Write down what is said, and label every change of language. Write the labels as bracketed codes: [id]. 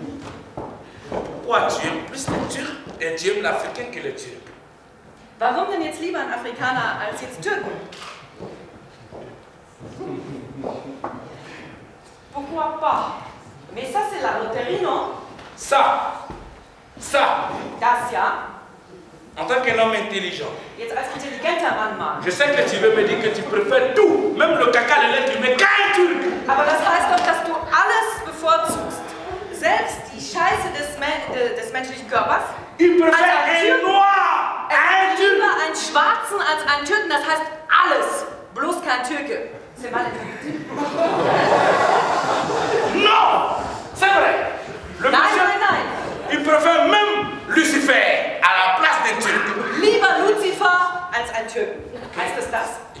[fr] Il préfère l'Africain, mais on ne sait pas pourquoi. Pourquoi tu aimes plus les Turcs et tu aimes l'Africain que les Turcs? [de] Warum denn jetzt lieber ein Afrikaner als jetzt Türken? [fr] Pourquoi pas? Mais ça, c'est la loterie, non? Ça. [de] Das, ja. [fr] En tant qu'un homme intelligent. [de] Jetzt als intelligenter Mann, Mann. [fr] Je sais que tu veux me dire que tu préfères tout, même le caca, les lettres, mais qu'un Turc! [de] Aber das heißt doch, dass du alles bevorzugst. Selbst die Scheiße des menschlichen Körpers. Ich präfere ein Noir, ein Türk. Lieber einen Schwarzen als einen Türken. Das heißt alles, bloß kein Türke. [fr] C'est mal. Non, c'est vrai. [de] Nein. Ich [fr] préfère même Lucifer à la place des Türken. [de] Lieber Lucifer als ein Türken. Okay. Heißt es das?